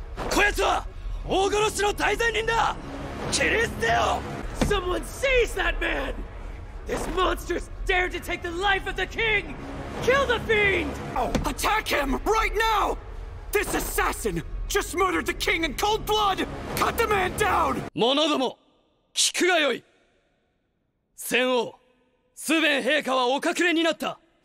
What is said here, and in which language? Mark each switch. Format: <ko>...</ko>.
<ja>こやつは大殺しの大善人だ! 切り捨てよ!</ja> <en>Someone seize that man! This monster dared to take the life of the king! Kill the fiend! Oh, attack him right now! This assassin just murdered the king in cold blood! Cut the man down!</en> <ja>者ども、聞くがよい! 戦王、スヴェン陛下はお隠れになった!</ja>